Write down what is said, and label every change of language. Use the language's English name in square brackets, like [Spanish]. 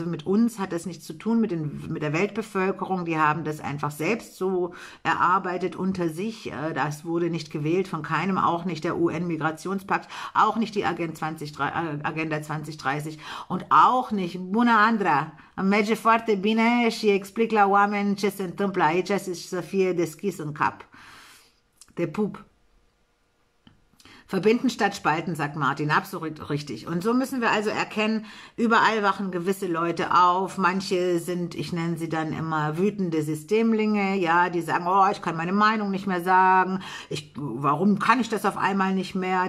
[German] Also mit uns hat das nichts zu tun, mit der Weltbevölkerung. Die haben das einfach selbst so erarbeitet unter sich. Das wurde nicht gewählt von keinem, auch nicht der UN-Migrationspakt, auch nicht die Agenda 2030 und auch nicht Buna Andra. [Romanian] Mege forte bine și explic la oameni ce se întâmplă aici și să fie deschis în cap. Te pup. [German] Verbinden statt spalten, sagt Martin, absolut richtig. Und so müssen wir also erkennen, überall wachen gewisse Leute auf. Manche sind, ich nenne sie dann immer wütende Systemlinge, ja, die sagen, oh, ich kann meine Meinung nicht mehr sagen, warum kann ich das auf einmal nicht mehr?